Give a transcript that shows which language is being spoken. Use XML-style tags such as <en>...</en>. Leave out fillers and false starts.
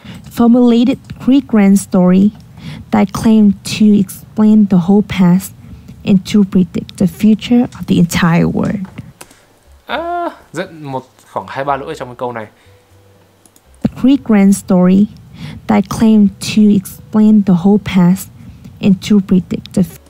<en>Formulated Greek grand story that claimed to explain the whole past and to predict the future of the entire world.</en> <vi>Dẫn một khoảng 2-3 lỗi trong cái câu này.</vi> <en>Greek grand story that claimed to explain the whole past and to predict the</en>